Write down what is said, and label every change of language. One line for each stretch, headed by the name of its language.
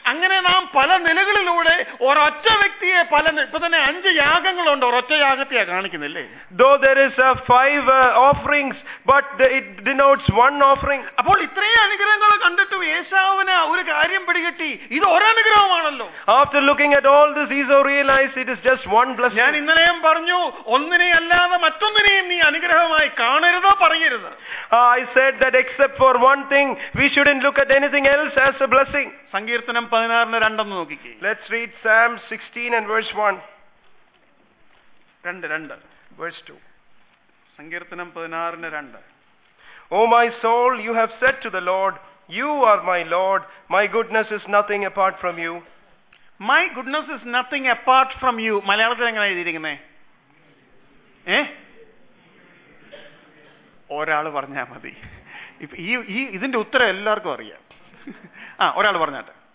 Malayalam: അങ്ങനെ നാം പല നിലകളിലൂടെ ഒരൊറ്റ വ്യക്തിയെ പല, ഇപ്പൊ തന്നെ 5 യാഗങ്ങളുണ്ട്, ഒരൊറ്റ യാഗത്തെയാ കാണിക്കുന്നില്ലേ.
English: Though there is 5 offerings but it denotes one offering.
Malayalam: അപ്പോൾ ഇത്രയും അനുഗ്രഹങ്ങളെ കണ്ടിട്ടും ഏശാവിന് ഒരു കാര്യം പിടികിട്ടി, ഇത് ഒരനുഗ്രഹമാണല്ലോ.
English: After looking at all this, Esau realized it is just one blessing.
Malayalam: ഞാൻ ഇന്നലെയും പറഞ്ഞു, ഒന്നിനെ അല്ലാതെ മറ്റൊന്നിനെയും നീ അനുഗ്രഹമായി കാണരുത്, പറയരുത്.
English: I said that except for one thing, we shouldn't look at anything else as a blessing.
Malayalam: സങ്കീർത്തനം 16 2 എന്ന് നോക്കിക്കേ.
English: Let's read Psalm 16 and verse 1. 2 verse 2.
Malayalam: സങ്കീർത്തനം 16:2.
English: O my soul, you have said to the Lord, you are my Lord, my goodness is nothing apart from you. My goodness is nothing apart from you.
Malayalam: മലയാളത്തിൽ എങ്ങനെ എഴുതിയിരിക്കുന്നത്? ഒരാൾ പറഞ്ഞാൽ മതി. ഇപ്പൊ ഈ ഇതിന്റെ ഉത്തരം എല്ലാവർക്കും അറിയാം. ആ ഒരാൾ പറഞ്ഞാട്ടെ.